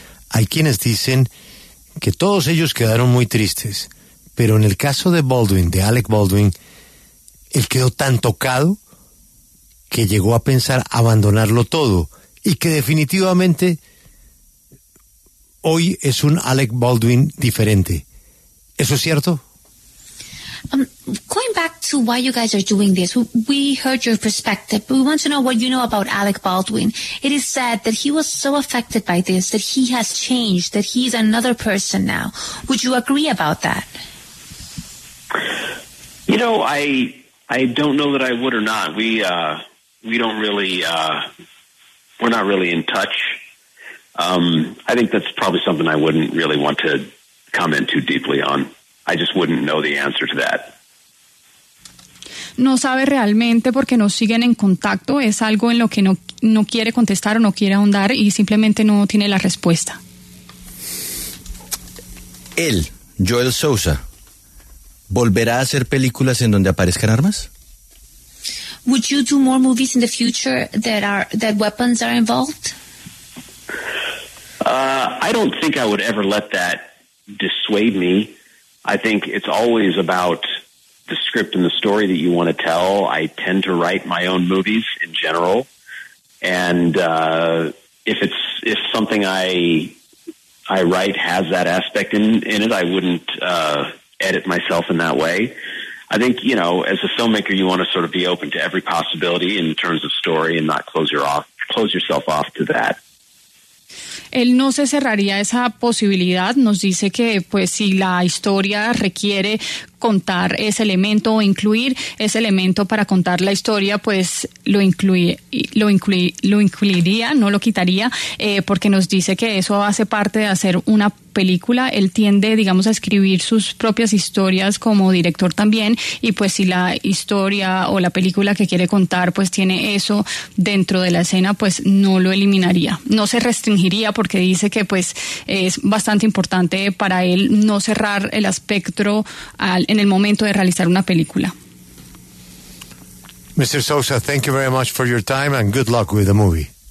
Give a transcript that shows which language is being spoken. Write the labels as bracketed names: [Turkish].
[Spanish] Hay quienes dicen que todos ellos quedaron muy tristes, pero en el caso de Baldwin, de Alec Baldwin, él quedó tan tocado que llegó a pensar abandonarlo todo, y que definitivamente hoy es un Alec Baldwin diferente. ¿Eso es cierto? [English] Going back to why you guys are doing this, we heard your perspective, but we want to know what you know about Alec Baldwin. It is said that he was so affected by this that he has changed, that he's another person now. Would you agree about that? You know, I don't know that I would or not. We're not really in touch. I think that's probably something I wouldn't really want to comment too deeply on. I just wouldn't know the answer to that. [Spanish] No sabe realmente porque no siguen en contacto. Es algo en lo que no quiere contestar o no quiere ahondar, y simplemente no tiene la respuesta. Él, Joel Souza, ¿volverá a hacer películas en donde aparezcan armas? [English] Would you do more movies in the future that weapons are involved? I don't think I would ever let that dissuade me. I think it's always about the script and the story that you want to tell. I tend to write my own movies in general. And if something I write has that aspect in it, I wouldn't edit myself in that way. I think, you know, as a filmmaker, you want to sort of be open to every possibility in terms of story and not close yourself off to that. [Spanish] Él no se cerraría esa posibilidad. Nos dice que, pues, si la historia requiere contar ese elemento o incluir ese elemento para contar la historia, pues lo incluiría, no lo quitaría, porque nos dice que eso hace parte de hacer una película. Él tiende, digamos, a escribir sus propias historias como director también, y pues si la historia o la película que quiere contar pues tiene eso dentro de la escena, pues no lo eliminaría, no se restringiría, porque dice que pues es bastante importante para él no cerrar el espectro en el momento de realizar una película. [English] Mr. Sosa, thank you very much for your time and good luck with the movie.